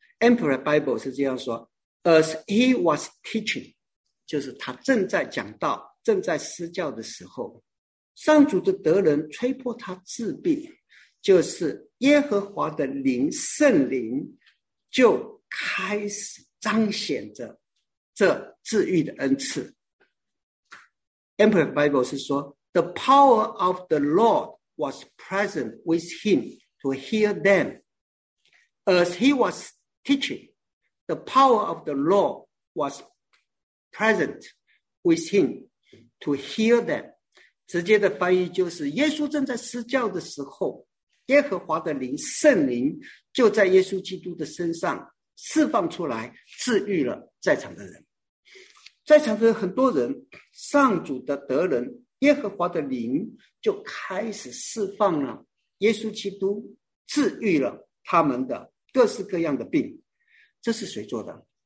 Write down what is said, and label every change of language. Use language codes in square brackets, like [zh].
[zh] Emperor Bible 是这样说， [en] As he was teaching， [zh] 就是他正在讲道，正在施教的时候，上主的德能吹破他治病，就是耶和华的灵，圣灵就开始彰显着这治愈的恩赐。 [en] Emperor Bible [zh] 是说， [en] The power of the Lord was present with him to heal them。 As he was teaching, the power of the Lord was present with him to heal them. [zh] 直接的翻译就是，耶稣正在施教的时候，耶和华的灵，圣灵就在耶稣基督的身上释放出来，治愈了在场的人。在场的很多人，上主的德能，耶和华的灵就开始释放了，耶稣基督治愈了他们的各式各样的病。这是谁做的？